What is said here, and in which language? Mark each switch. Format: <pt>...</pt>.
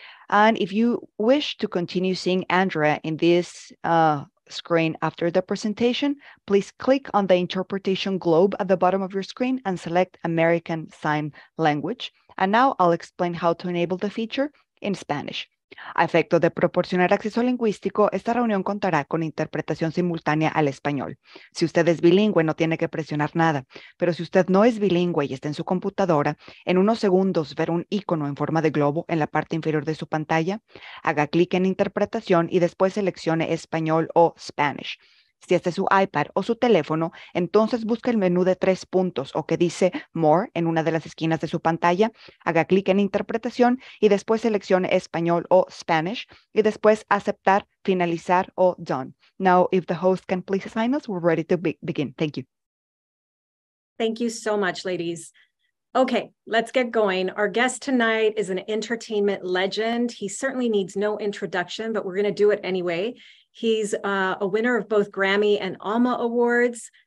<en>And if you wish to continue seeing Andrea in this screen after the presentation, please click on the interpretation globe at the bottom of your screen and select American Sign Language. And now I'll explain how to enable the feature in Spanish.</en> <es>A efecto de proporcionar acceso lingüístico, esta reunión contará con interpretación simultánea al español. Si usted es bilingüe, no tiene que presionar nada. Pero si usted no es bilingüe y está en su computadora, en unos segundos verá un icono en forma de globo en la parte inferior de su pantalla. Haga clic en interpretación y después seleccione español o Spanish. Si este es su iPad o su teléfono, entonces busque el menú de tres puntos o que dice More en una de las esquinas de su pantalla. Haga clic en Interpretación y después seleccione Español o Spanish y después Aceptar, Finalizar o Done.</es> <en>Now, if the host can please assign us, we're ready to begin. Thank you. Thank you so much, ladies. Okay, let's get going. Our guest tonight is an entertainment legend. He certainly needs no introduction, but we're going to do it anyway. He's a winner of both Grammy and ALMA Awards.</en>